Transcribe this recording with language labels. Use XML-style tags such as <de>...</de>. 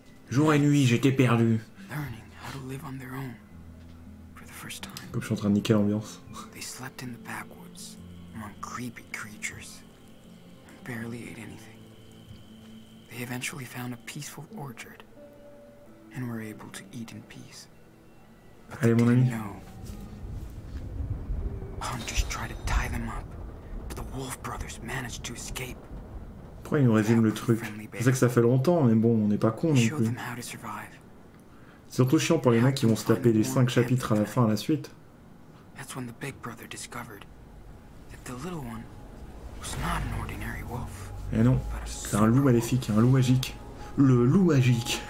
<fr>Jour et nuit, j'étais perdu. Comme je suis en train de niquer l'ambiance.</fr> <en>They slept in the backwoods, among creepy creatures, and barely ate anything. They eventually found a peaceful orchard, and were able to eat in peace. But they didn't know. Hunters tried to tie them up, but the Wolf brothers managed to escape.</en> <fr>Pourquoi ils nous résument le truc ? Je sais que ça fait longtemps, mais bon, on n'est pas cons non plus. C'est surtout chiant pour les mecs qui vont se taper les 5 chapitres à la fin, à la suite. C'est quand le grand frère a découvert que le petit n'était pas un ordinaire wolf. Eh non, c'est un loup maléfique, un loup magique. Le loup magique.</fr>